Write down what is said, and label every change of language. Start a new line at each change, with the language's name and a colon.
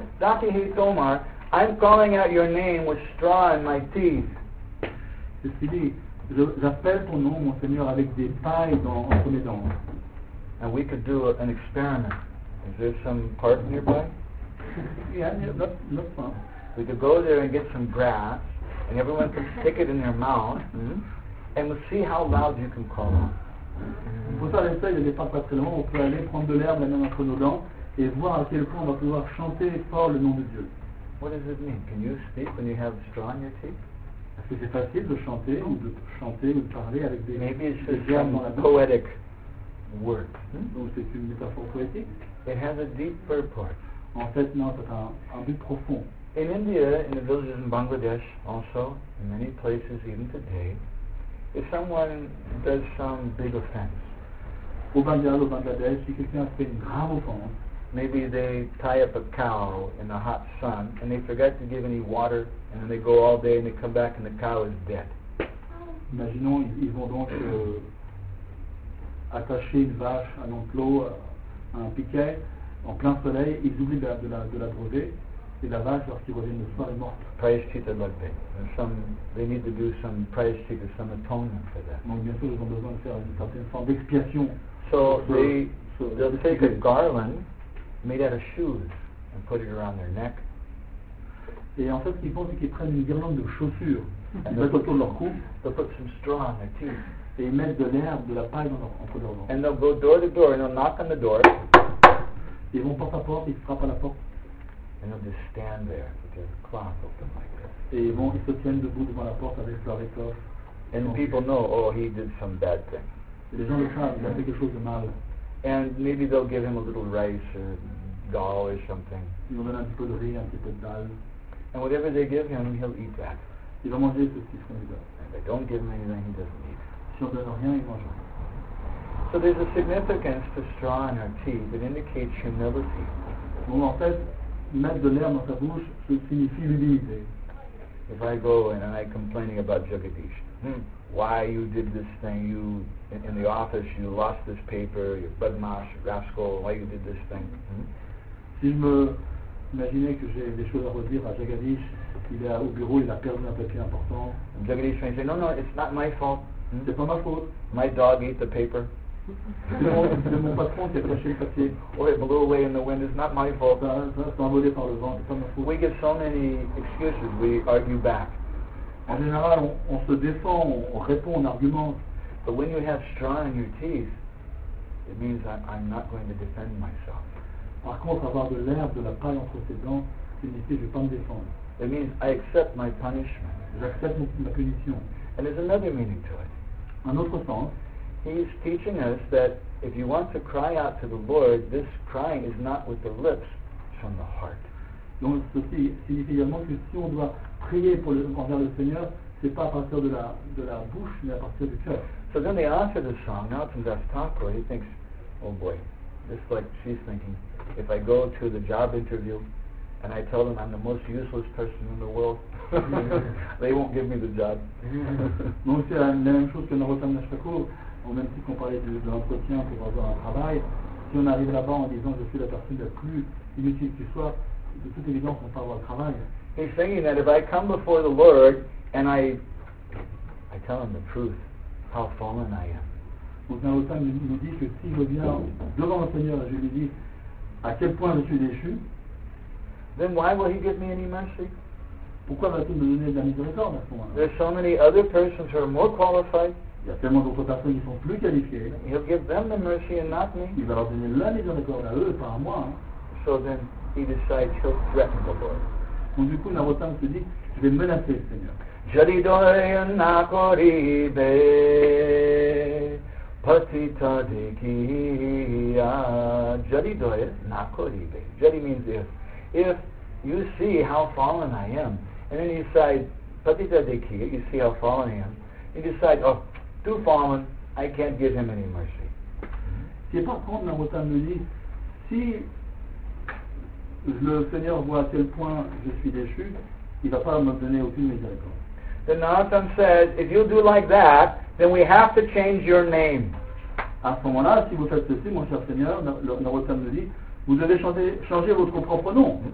Bangla: Daki hei tomara,
English: I'm calling out your name with straw in my teeth.
French: C'est ce qu'il dit, j'appelle ton nom, mon Seigneur, avec des pailles entre mes dents.
English: And we could do an experiment. Is there some park nearby? Yeah, no. We could go there and get some grass, and everyone can stick it in their mouth, and we'll see how loud you can call out.
French: Pour ça, l'essai, il n'est pas très loin. On peut aller prendre de l'herbe là-dedans entre nos dents et voir à quel point on va pouvoir chanter fort le nom de Dieu.
English: What does it mean? Can you speak when you have a straw in your teeth?
French: Est-ce que c'est facile de chanter ou de chanter ou de parler avec des
English: maybe it's
French: des
English: just some poetic. Word.
French: Donc c'est une métaphore poétique.
English: It has a deep purport.
French: En fait, non, c'est un but profond.
English: In India, in the villages in Bangladesh, also in many places even today, if someone does some big offense,
French: au Bangladesh, si quelqu'un fait une grave offense,
English: maybe they tie up a cow in the hot sun and they forget to give any water, and then they go all day and they come back and the cow is dead.
French: Imaginons, ils vont donc attacher une vache à un enclos, à un piquet, en plein soleil, ils oublient de la broder, et la vache, lorsqu'ils reviennent le soir, est morte.
Bangla: Prayaschita lagbe.
English: They need to do some prayaschita, some atonement for that.
French: Donc, bien sûr, ils ont besoin de faire une certaine forme d'expiation.
English: So, they'll take a garland made out of shoes and put it around their neck.
French: Et en fait, ce qu'ils font, c'est qu'ils prennent une guirlande de chaussures, ils mettent autour de leur cou,
English: put some straw on their teeth,
French: et ils mettent de l'herbe, de la paille dans leur, entre leurs dents.
English: And they'll go door to door, and they'll knock on the door.
French: Ils vont porte à porte, ils frappent à la porte.
English: And they'll just stand there with their cloth open like this.
French: Et bon, ils se tiennent debout devant la porte avec leur écorce.
English: And the people know, oh, he did some bad thing.
French: Et les gens le savent, il a fait quelque chose de mal.
English: And maybe they'll give him a little rice or dal or something.
French: Ils vont donner un petit peu de riz, un petit peu de dalle.
English: And whatever they give him, he'll eat that.
French: Il va manger ce qu'ils font.
English: And they don't give him anything he doesn't eat.
French: Si on donne rien, il mange rien.
English: So there's a significance to straw in our teeth that indicates humility.
French: Bon, en fait, mettre de l'herbe dans sa bouche, ça signifie l'humilité.
English: If I go in and I'm complaining about Jagadish, why you did this thing, you, in the office, you lost this paper, your budmash, your rascal, why you did this thing.
French: Si je me imaginais que j'ai des choses à redire à Jagadish, il est au bureau, il a perdu un papier important.
English: Jagadish may say, no, no, it's not my fault.
French: C'est pas ma faute.
English: My dog ate the paper.
French: C'est mon patron qui a caché le papier.
English: Oh, it blew away in the wind. It's not my fault.
French: C'est envolé par le vent. C'est pas ma faute.
English: We give so many excuses. We argue back.
French: En général, on se défend, on répond, on argumente.
English: But when you have straw in your teeth, it means I'm not going to defend myself.
French: Par contre, avoir de l'herbe, de la paille entre ses dents, signifie je ne vais pas me défendre.
English: It means I accept my punishment.
French: J'accepte ma punition.
English: And there's another meaning to it.
French: Un autre sens.
English: He's teaching us that if you want to cry out to the Lord, this crying is not with the lips, it's from the heart.
French: Donc ceci signifie également que si on doit prier pour le, envers le Seigneur, c'est pas à partir de la bouche, mais à partir du cœur.
English: So then they answer the song, now it's in Dastako, he thinks, oh boy, just like she's thinking, if I go to the job interview and I tell them I'm the most useless person in the world, they won't give me the job.
French: Donc c'est la même chose que Narottam Dastako. Même si on parlait de l'entretien pour avoir un travail, si on arrive là-bas en disant je suis la personne la plus inutile qui soit, de toute évidence on ne va pas avoir le travail.
English: He's thinking that if I come before the Lord and I tell him the truth, how fallen I am.
French: Donc Narottam nous dit que si je viens devant le Seigneur, je lui dis à quel point je suis déchu.
English: Then why will he give me any mercy?
French: Pourquoi va-t-il me donner de la miséricorde à ce moment-là?
English: There's so many other persons who are more qualified.
French: Il y a tellement d'autres personnes qui sont plus qualifiées.
English: He'll give them the mercy and not me.
French: Il va leur donner la miséricorde à eux, pas à moi.
English: So then he decides he'll threaten the Lord.
French: Donc du coup, Narottam se dit, je vais menacer le Seigneur.
Bangla: Jaridoyan nakoribe patita dekiya. Jaridoyan nakoribe.
English: Jari means if you see how fallen I am, and then you decide
Bangla: patita dekiya,
English: you see how fallen I am, you decide, oh, too fallen, I can't give him any mercy.
French: Si par contre Narottam nous dit, si le Seigneur voit à quel point je suis déchu, il ne va pas me donner aucune miséricorde.
English: Then Narottam says, if you do like that, then we have to change your name.
French: À ce moment-là, si vous faites ceci, mon cher Seigneur, Narottam nous dit, vous devez changer votre propre nom.